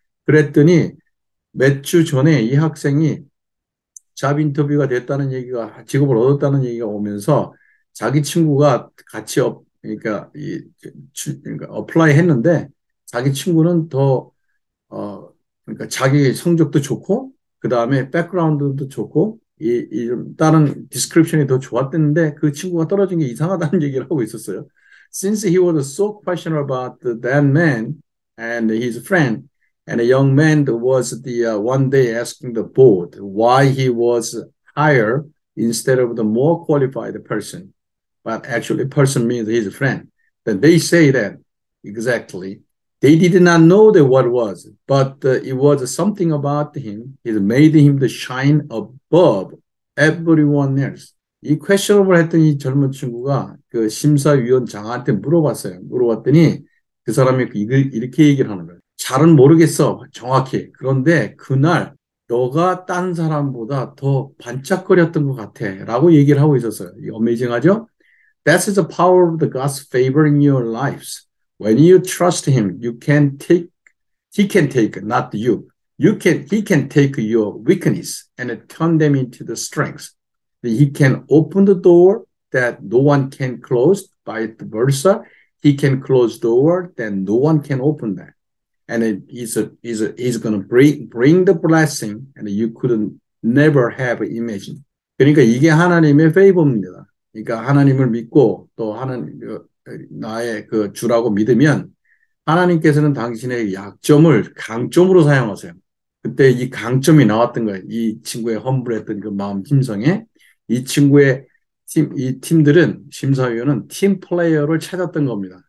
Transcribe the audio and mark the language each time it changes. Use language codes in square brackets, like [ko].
[ko] 그랬더니 몇주 전에 이 학생이 잡 인터뷰가 됐다는 얘기가 직업을 얻었다는 얘기가 오면서 자기 친구가 같이 업 그러니까 이 그러니까 어플라이 했는데 자기 친구는 더어 그러니까 자기 성적도 좋고 그다음에 백그라운드도 좋고 다른 디스크립션이 더 좋았는데 그 친구가 떨어진 게 이상하다는 얘기를 하고 있었어요. [en] Since he was so questionable about that man and his friend and a young man was one day asking the board why he was higher instead of the more qualified person. But actually, person means his friend. Then they say that exactly. They did not know that what it was, but it was something about him. It made him the shine above everyone else. [ko] 이 questionable 했더니 젊은 친구가 그 심사위원장한테 물어봤어요. 물어봤더니 그 사람이 이렇게 얘기를 하는 거예요. 잘은 모르겠어, 정확히. 그런데 그날 너가 딴 사람보다 더 반짝거렸던 것 같아라고 얘기를 하고 있었어요. 이 어메이징하죠? [en] That is the power of the God's favor in your lives. When you trust him, you can take, he can take, not you. You can, he can take your weakness and turn them into the strengths. He can open the door that no one can close, vice versa. He can close door that no one can open that. And he's gonna bring the blessing and you couldn't never have imagined. [ko] 그러니까 이게 하나님의 favor입니다. 그러니까 하나님을 믿고 또 하나님 나의 그 주라고 믿으면 하나님께서는 당신의 약점을 강점으로 사용하세요. 그때 이 강점이 나왔던 거예요. 이 친구의 험블했던 그 마음 심성에 이 친구의 팀, 이 팀들은 심사위원은 팀 플레이어를 찾았던 겁니다.